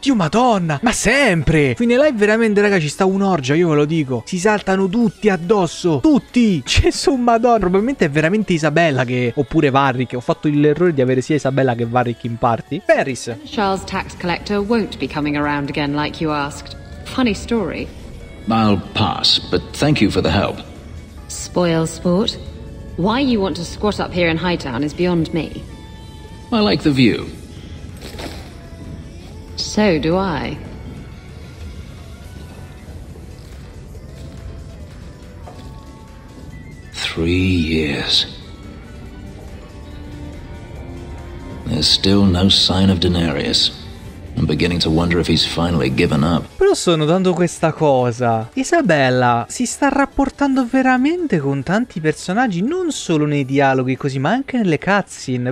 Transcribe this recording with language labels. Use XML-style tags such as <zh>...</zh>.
<it>Dio madonna, ma sempre. Fine live veramente, raga, ci sta un'orgia, io ve lo dico. Si saltano tutti addosso. Tutti. Gesù madonna. Probabilmente è veramente Isabella che, oppure Varric. Ho fatto l'errore di avere sia Isabella che Varric in party. Ferris.</it> <en>Charles tax collector won't be coming around again like you asked. funny story. I'll pass, but thank you for the help. Spoil sport. Why you want to squat up here in Hightown is beyond me. I like the view. So do I. "3 years. There's still no sign of Daenerys. I'm beginning to wonder if he's finally given up."</en> <it>Però sto notando questa cosa. Isabella si sta rapportando veramente con tanti personaggi, non solo nei dialoghi così, ma anche nelle cutscene.</it>